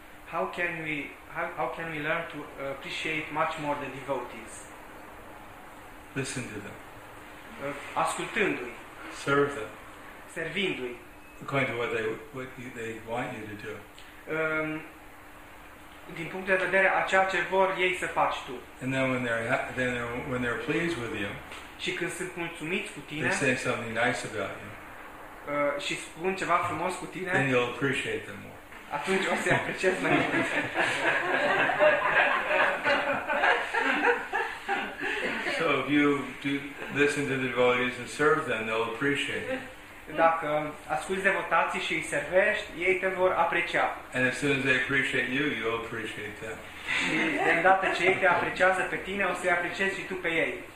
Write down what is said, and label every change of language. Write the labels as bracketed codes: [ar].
[en] How can we learn to appreciate much more the devotees? Listen to them. [ro] Ascultându-i. [en] Serve them. [ro] Servindu-i. [en] According to what they want you to do. [ro] Din punct de vedere a ceea ce vor ei să faci tu. [en] And then when they're pleased with you. [ro] Și când sunt mulțumiți cu tine. [en] They say something nice about you. [ro] Și spun ceva frumos cu tine. [en] Then you'll appreciate them more. [ro] Atunci o să-i apreciez mai mult. [en] So if you do listen to the devotees and serve them, they'll appreciate it. [ro] Dacă asculți devotații și îi servești, ei te vor aprecia. [en] And as soon as they appreciate you, you'll appreciate them. [ro] Și de îndată ce ei te apreciază pe tine, o să-i apreciezi și tu pe ei.